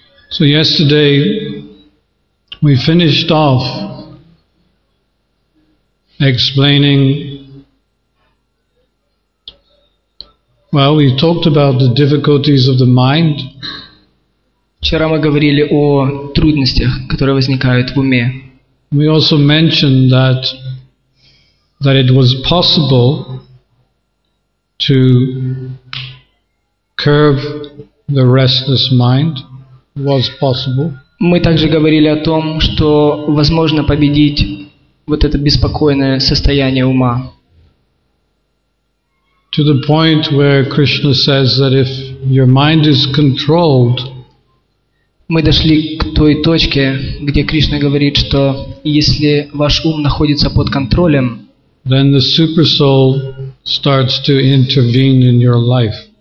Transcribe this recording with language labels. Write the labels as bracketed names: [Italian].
[English] So yesterday we finished off explaining. Well, we talked about the difficulties of the mind. [Russian] Вчера мы говорили о трудностях, которые возникают в уме. [English] We also mentioned that it was possible to curb the restless mind. Was possible. [Russian] Мы также говорили о том, что возможно победить вот это беспокойное состояние ума. [English] To the point where Krishna says that if your mind is controlled, [Russian] мы дошли к той точке, где Кришна говорит, что если ваш ум находится под контролем, [English] then the super soul starts to intervene in your life.